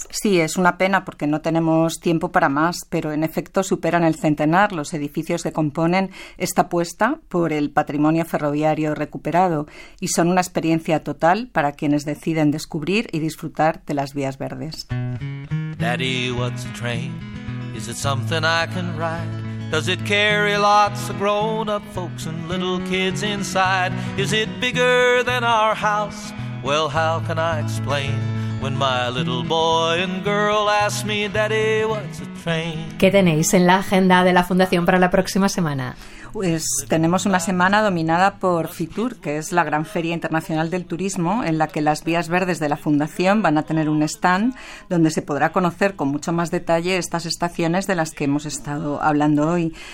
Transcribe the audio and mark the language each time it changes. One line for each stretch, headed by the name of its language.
Spanish: Sí, es una pena porque no tenemos tiempo para más, pero en efecto superan el centenar los edificios que componen esta apuesta por el patrimonio ferroviario recuperado y son una experiencia total para quienes deciden descubrir y disfrutar de las vías verdes.
English: Daddy, what's a train? Is it something I can ride? Does it carry lots of grown-up folks and little kids inside? Is it bigger than our house? Well, how can I explain when my little boy and girl ask me, Daddy, what's a train?
Spanish: ¿Qué tenéis en la agenda de la Fundación para la próxima semana? Pues tenemos una semana dominada por Fitur, que es la gran feria internacional del turismo, en la que las vías verdes de la Fundación van a tener un stand donde se podrá conocer con mucho más detalle estas estaciones de las que hemos estado hablando hoy.